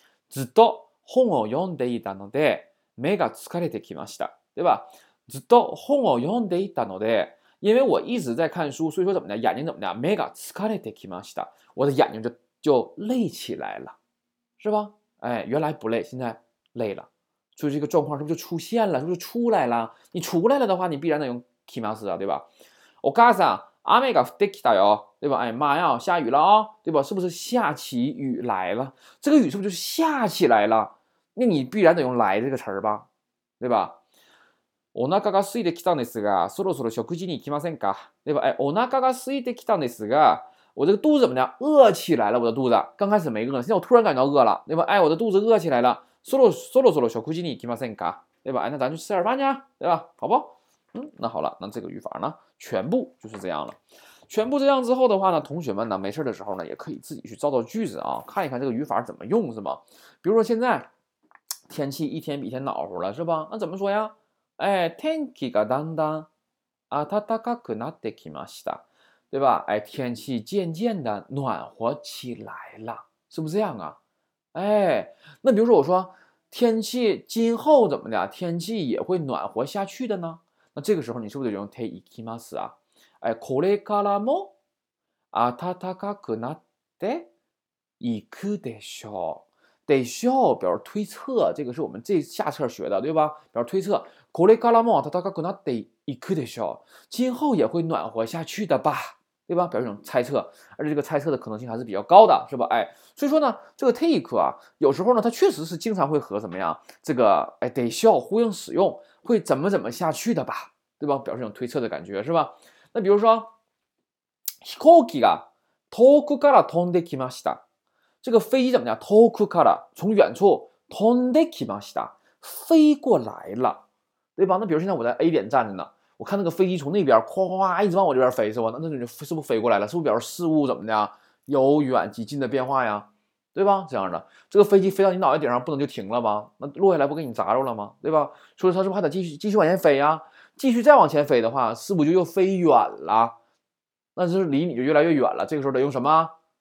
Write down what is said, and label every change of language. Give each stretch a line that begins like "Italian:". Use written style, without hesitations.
Japanese: ずっと本を読んでいたので目が疲れてきました，
Chinese: 对吧，
Japanese: ずっと本を読んでいたので，
Chinese: 因为我一直在看书，所以说怎么的，眼睛怎么的，
Japanese: 目が疲れてきました，
Chinese: 我的眼睛就累起来了，是吧，哎，原来不累现在累了，所以这个状况是不是就出现了，是不是出来了，你出来了的话你必然得用きます，对吧，お母さん
Japanese: 雨が降ってきたよ，
Chinese: 对吧？哎妈呀，下雨了啊，对吧？是不是下起雨来了？这个雨是不是就是下起来了？那你必然得用来这个词儿吧，对吧？
Japanese: お腹が空いてきたんですが、そろそろ食事に行きませんか？
Chinese: 对吧？哎，
Japanese: お腹が空いてきたんですが，
Chinese: 我这个肚子怎么样？饿起来了，我的肚子。刚开始没饿呢，现在我突然感觉饿了，对吧？哎，我的肚子饿起来了。
Japanese: そろそろ食事に行きませんか？
Chinese: 对吧？哎，那咱去吃点饭去，对吧？好不？那好了，那这个语法呢，全部就是这样了。全部这样之后的话呢，同学们呢，没事的时候呢，也可以自己去造造句子啊，看一看这个语法怎么用，是吗？比如说现在天气一天比天暖和了，是吧？那怎么说呀？
Japanese: 哎，天气がだんだん暖かくなってきました，
Chinese: 对吧？哎，天气渐渐的暖和起来了，是不是这样啊？哎，那比如说我说天气今后怎么的，天气也会暖和下去的呢？那这个时候你是不是就用ていきます啊？
Japanese: 哎，これからも暖かくなっていくでしょう。
Chinese: でしょう表示推测，这个是我们这下册学的，对吧？表示推测，
Japanese: これからも暖かくなっていくでしょう。
Chinese: 今后也会暖和下去的吧，对吧？表示一种猜测，而且这个猜测的可能性还是比较高的，是吧？哎，所以说呢，这个ていく啊，有时候呢，它确实是经常会和怎么样这个哎でしょう呼应使用。会怎么怎么下去的吧，对吧？表示一种推测的感觉，是吧？那比如说，
Japanese: 飛行機が遠くから飛んできました。
Chinese: 这个飞机怎么样？遠くから，从远处
Japanese: 飛んできました，
Chinese: 飞过来了，对吧？那比如现在我在 A 点站着呢，我看那个飞机从那边哗哗一直往我这边飞，是吧？那是不是飞过来了？是不是表示事物怎么的由远及近的变化呀？对吧？这样的，这个飞机飞到你脑袋顶上，不能就停了吧？那落下来不给你砸着了吗？对吧？所以它是不是还得继续往前飞呀？继续再往前飞的话，是不是就又飞远了？那就是离你就越来越远了。这个时候得用什么？